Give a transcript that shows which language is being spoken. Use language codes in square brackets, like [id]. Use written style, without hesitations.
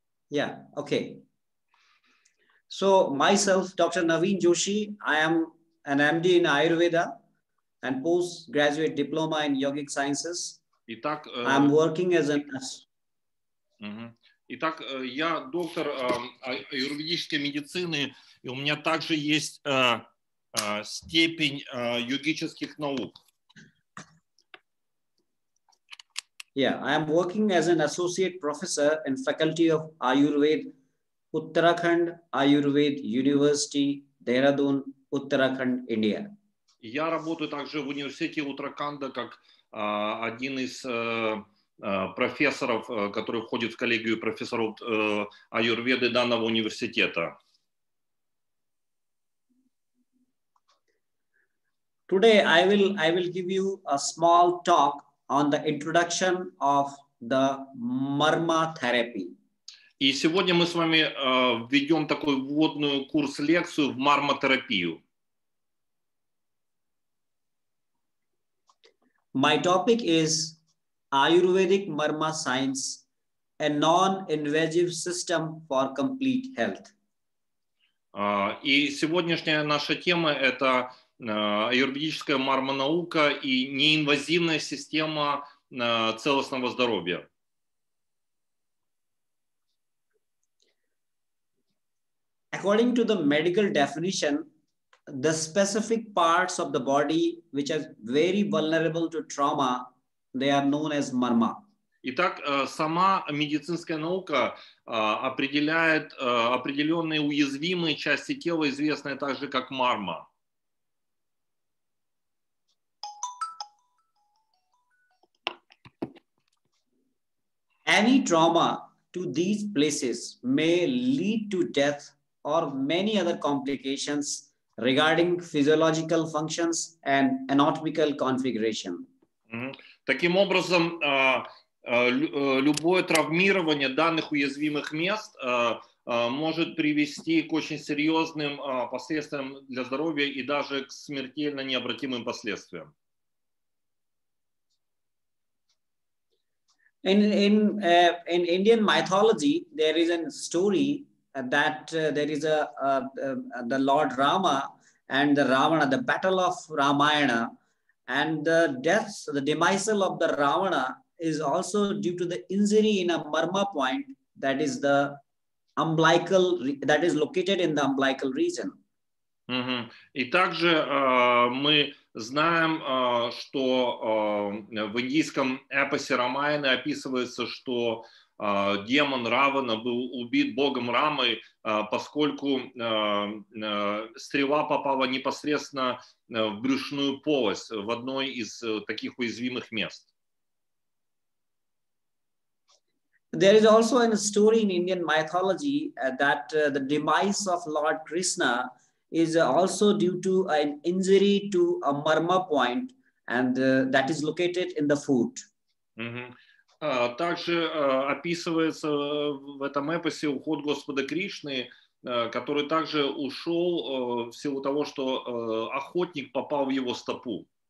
[en] Yeah, okay. So myself, Dr. Navin Joshi, I am an MD in Ayurveda and postgraduate diploma in yogic sciences. [ru] Итак, [en] I'm working as a nurse. [ru] Итак, я доктор аюрведической медицины, и у меня также есть степень йогических наук. [en] Yeah, I am working as an associate professor in faculty of Ayurveda, Uttarakhand Ayurveda University, Dehradun, Uttarakhand, India. [ru] Я работаю также в университете Уттараканда как один из профессоров, который входит в коллегию профессоров аюрведы данного университета. [en] Today I will give you a small talk on the introduction of the Marma therapy. [ru] И сегодня мы с вами введем такой вводную курс-лекцию в марма-терапию. [en] My topic is Ayurvedic Marma Science, a non-invasive system for complete health. [ru] И сегодняшняя наша тема – это аюрведическая марма-наука и неинвазивная система целостного здоровья. [en] According to the medical definition, the specific parts of the body which are very vulnerable to trauma, they are known as marma. [ru] Итак, сама медицинская наука определяет определенные уязвимые части тела, известные также как марма. [en] Any trauma to these places may lead to death or many other complications regarding physiological functions and anatomical configuration. [ru] Таким образом, любое травмирование данных уязвимых мест может привести к очень серьезным последствиям для здоровья и даже к смертельно необратимым последствиям. [en] In Indian mythology, there is a story that there is the Lord Rama and the Ravana, the battle of Ramayana, and the death, the demise of the Ravana is also due to the injury in a marma point that is the umbilical, that is located in the umbilical region. Mm-hmm. [ru] И также мы знаем, что в индийском эпосе Рамаяны описывается, что демон Равана был убит богом Рамой, поскольку стрела попала непосредственно в брюшную полость, в одной из таких уязвимых мест. [en] There is also a story in Indian mythology that the demise of Lord Krishna is also due to an injury to a marma point, and that is located in the foot. Mm-hmm. [ru] Также описывается в этом эпосе уход Господа Кришны, который также ушел в силу того, что охотник попал в его стопу.